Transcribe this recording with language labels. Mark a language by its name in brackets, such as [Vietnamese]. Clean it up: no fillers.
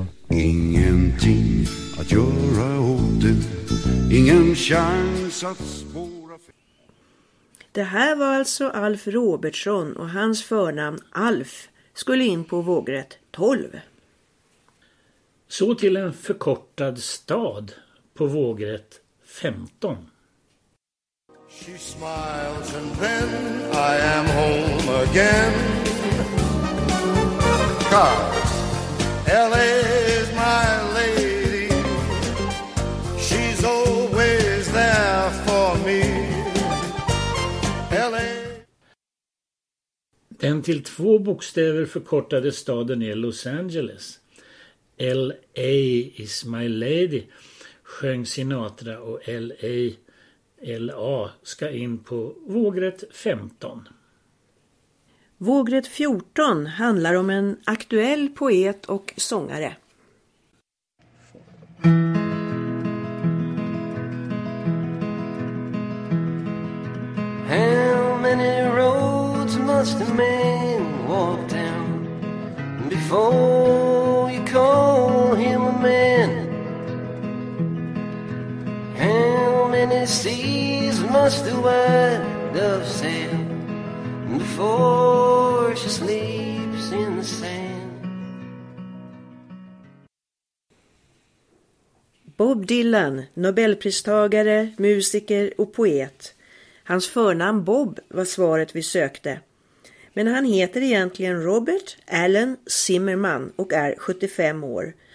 [Swedish] Ingenting att göra åt det, ingen chans att spåra fel. Det här var alltså Alf Robertsson och hans förnamn Alf skulle in på vågrätt 12. Så till en förkortad stad på vågrätt 15. [English] She smiles and then I am home again. Cars, L.A. is my lady. She's always there for me. L.A. [Swedish] Den till två bokstäver förkortade staden är Los Angeles. L.A. [English] is my lady, [Swedish] sjöng Sinatra, och [English] L.A. [Swedish] L.A. ska in på vågrätt 15. Vågrätt 14 handlar om en aktuell poet och sångare. [English] How many roads must a man walk down before you call him a man? How many seas must a white dove sail before she sleeps in the sand? [Swedish] Bob Dylan, Nobelpristagare, musiker och poet. Hans förnamn Bob var svaret vi sökte. Men han heter egentligen Robert Allen Zimmerman och är 75 år.